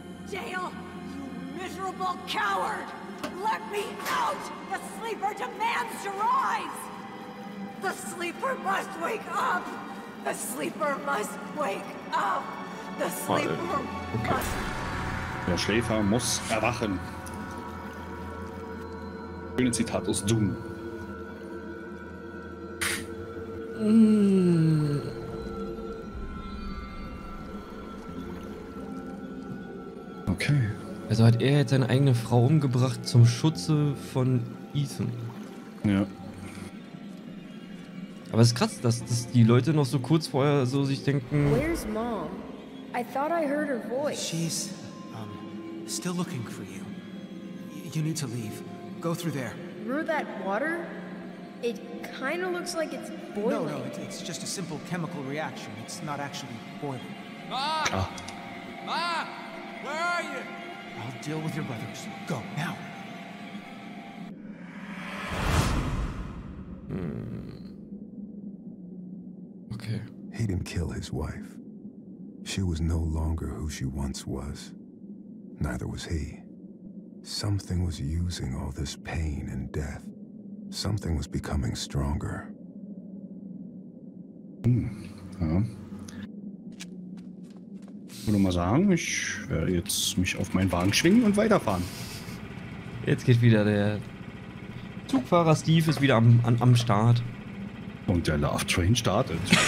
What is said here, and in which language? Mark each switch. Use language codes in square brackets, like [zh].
[en] Dale, you miserable coward! Let me out! The sleeper demands to rise! The sleeper must wake up! The sleeper must wake up! Okay. [de] Der Schläfer muss erwachen. Schöne Zitat aus Doom. Okay. Also hat er jetzt seine eigene Frau umgebracht zum Schutze von Ethan. Ja. Aber es ist krass, dass die Leute noch so kurz vorher so sich denken... [en] Where's Mom? I thought I heard her voice. She's still looking for you. You need to leave. Go through there. Through that water? It kind of looks like it's boiling. No, it's just a simple chemical reaction. It's not actually boiling. Ma! Where are you? I'll deal with your brothers. Go, now. Okay. He didn't kill his wife. She was no longer who she once was. Neither was he. Something was using all this pain and death. Something was becoming stronger. [de] Ja. Ich würde mal sagen, ich werde jetzt mich auf meinen Wagen schwingen und weiterfahren. Jetzt geht wieder der Zugfahrer Steve ist wieder am Start. Und der Love Train startet.